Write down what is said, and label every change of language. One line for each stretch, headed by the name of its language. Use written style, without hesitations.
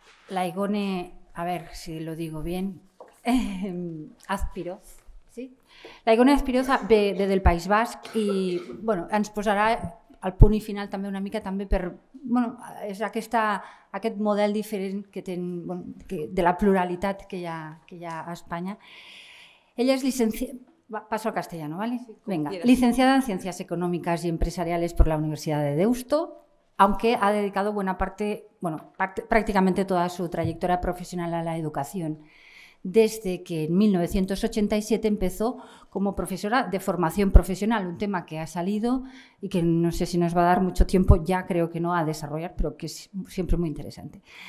Spanish: La Igone, a ver si lo digo bien, Azpiroz, ¿sí?
Catalan: La Igone Azpiroz ve del País Basc i bueno, ens posarà al punt i final també una mica també per, bueno, és aquest model diferent que ten, bueno, que de la pluralitat que hi ha a Espanya.
Spanish: Ella es paso al castellano, ¿vale? Venga. Licenciada en Ciencias Económicas y Empresariales por la Universidad de Deusto, aunque ha dedicado buena parte, bueno, prácticamente toda su trayectoria profesional a la educación, desde que en 1987 empezó como profesora de formación profesional, un tema que ha salido y que no sé si nos va a dar mucho tiempo, ya creo que no, a desarrollar, pero que es siempre muy interesante.